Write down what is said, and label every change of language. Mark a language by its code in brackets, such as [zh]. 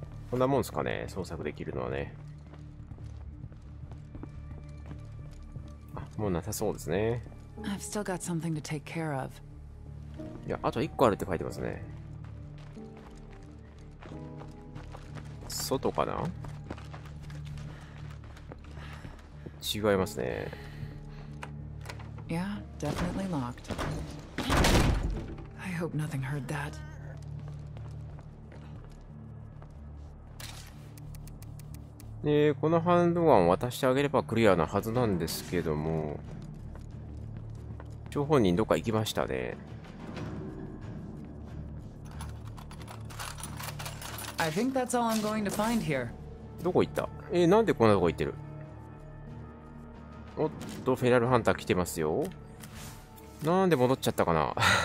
[ja] こんなもんすかね、捜索できるのはね。あ、もうなさそうですね。 [en] I've still got something to take care of. [ja] いや、あと一個あるって書いてますね。外かな？違いますね。 [en] Yeah, definitely locked. I hope nothing heard that. [ja] ね、このハンドガンを渡してあげればクリアなはずなんですけども、張本人どっか行きましたね。 [en] I think that's all I'm going to find here. [ja] どこ行った？なんでこんなとこ行ってる？おっと、フェラルハンター来てますよ。なんで戻っちゃったかな。